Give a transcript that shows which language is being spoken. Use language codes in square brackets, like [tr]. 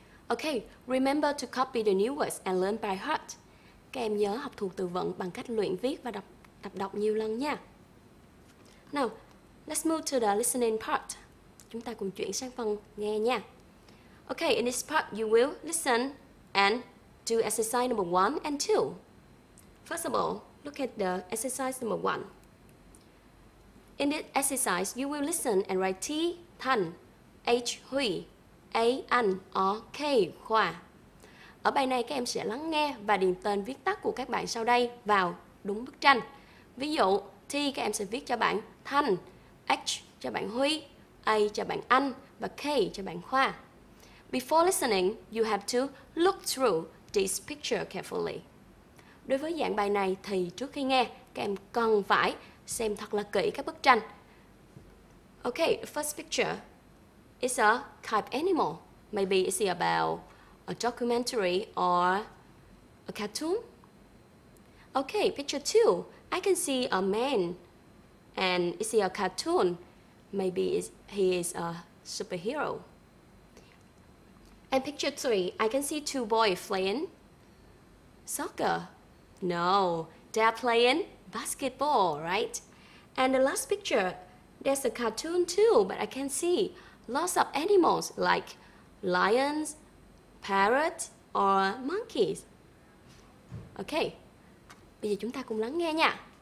[en] Okay, remember to copy the new words and learn by heart. [vi] Các em nhớ học thuộc từ vựng bằng cách luyện viết và đọc tập đọc nhiều lần nha. [en] Now, let's move to the listening part. [vi] Chúng ta cùng chuyển sang phần nghe nha. [en] Okay, in this part you will listen and do exercise number 1 and 2. First of all, look at the exercise number 1. In this exercise, you will listen and write T Thanh, H Huy, A, anh, O, K, Khoa. [vi] Ở bài này các em sẽ lắng nghe và điền tên viết tắt của các bạn sau đây vào đúng bức tranh. Ví dụ, T các em sẽ viết cho bạn Thanh, H cho bạn Huy, A cho bạn Anh và K cho bạn Khoa. [en] Before listening, you have to look through this picture carefully. [vi] Đối với dạng bài này thì trước khi nghe, các em cần phải xem thật là kỹ các bức tranh. [en] Okay, first picture. It's a type animal. Maybe it's about a documentary or a cartoon. Okay, picture two. I can see a man and it's a cartoon. Maybe he is a superhero. And picture three, I can see two boys playing soccer. No, they are playing basketball, right? And the last picture, there's a cartoon too, but I can see lots of animals like lions, parrots, or monkeys. [vi] Okay, bây giờ chúng ta cùng lắng nghe nha.